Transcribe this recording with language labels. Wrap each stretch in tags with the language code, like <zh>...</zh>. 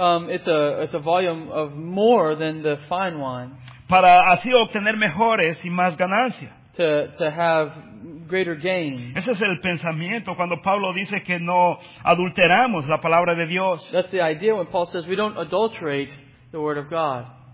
<en>It's a volume of more than the fine wine.</en> <es>Para así obtener mejores y más ganancias.</es> <en>To have greater gain.</en> <es>Ese es el pensamiento cuando Pablo dice que no adulteramos la palabra de Dios.</es> <en>That's the idea when Paul says we don't adulterate the word of God.</en>